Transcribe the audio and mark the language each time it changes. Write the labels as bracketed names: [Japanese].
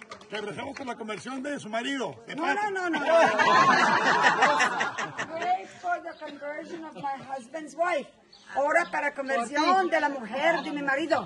[Spanish] Que regresemos con la conversión de su marido. De no, no, no, no. [English] Pray for the conversion of my husband's wife. [Spanish] Ora para conversión de la mujer de mi marido.